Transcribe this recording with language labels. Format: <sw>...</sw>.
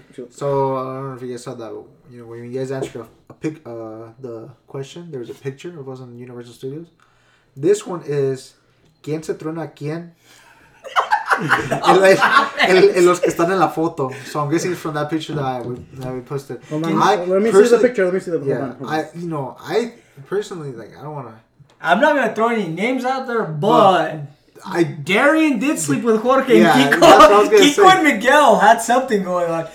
<en>So I don't know if you guys saw that, but, you know, when you guys answered the question, there was a picture of us on Universal Studios. This one is</en> <es>¿Quién se truena quién? en los que están en la foto.</es> <en>So I'm guessing it's from that picture that we posted. Let me see the picture. Yeah, I personally, like, I don't want to. I'm not going to throw any names out there, but Darian did sleep with Jorge and Kiko. Kiko and Miguel had something going on.</en>